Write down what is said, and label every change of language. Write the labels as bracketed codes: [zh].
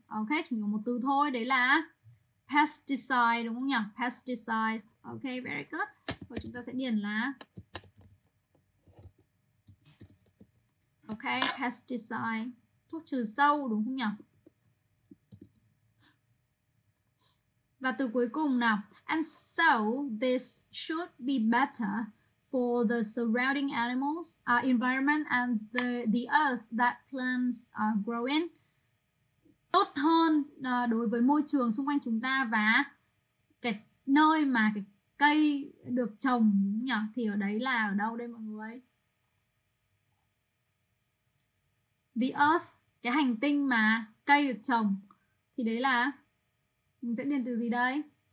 [vi] Ok, chỉ có một từ thôi, đấy là pesticide, đúng không nhỉ? [en] Pesticides, ok, very good. [vi] Và chúng ta sẽ điền là ok, pesticide, thuốc trừ sâu, đúng không nhỉ? Và từ cuối cùng nào. [en] And so this should be better for the surrounding animals, environment and the earth that plants grow in. [vi] Tốt hơn đối với môi trường xung quanh chúng ta và cái nơi mà cái cây được trồng nhỉ? Thì ở đấy là ở đâu đây mọi người? The earth, cái hành tinh mà cây được trồng thì đấy là mình sẽ điền từ gì đây?